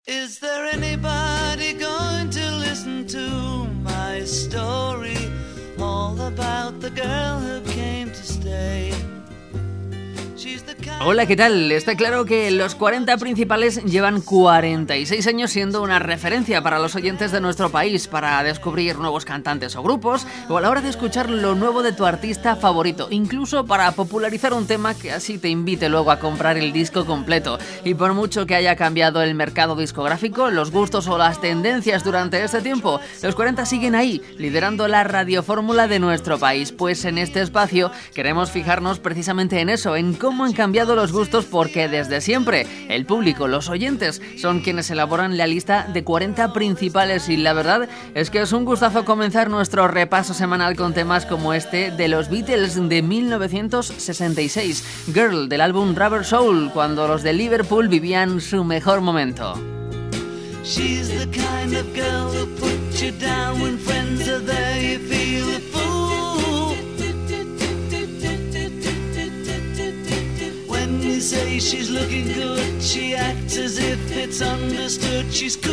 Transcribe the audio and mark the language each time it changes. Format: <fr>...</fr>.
<en>Is there anybody going to listen to my story? All about the girl who came to stay.</en> <es>Hola, ¿qué tal? Está claro que los 40 principales llevan 46 años siendo una referencia para los oyentes de nuestro país, para descubrir nuevos cantantes o grupos, o a la hora de escuchar lo nuevo de tu artista favorito, incluso para popularizar un tema que así te invite luego a comprar el disco completo. Y por mucho que haya cambiado el mercado discográfico, los gustos o las tendencias durante este tiempo, los 40 siguen ahí, liderando la radiofórmula de nuestro país. Pues en este espacio queremos fijarnos precisamente en eso, en cómo han cambiado los gustos, porque desde siempre el público, los oyentes, son quienes elaboran la lista de 40 principales, y la verdad es que es un gustazo comenzar nuestro repaso semanal con temas como este de los Beatles de 1966, Girl, del álbum Rubber Soul, cuando los de Liverpool vivían su mejor momento.</es> <en>She's the kind of girl who puts you down when friends are there, you feel a fool. Say she's looking good, she acts as if it's understood, she's cool.</en>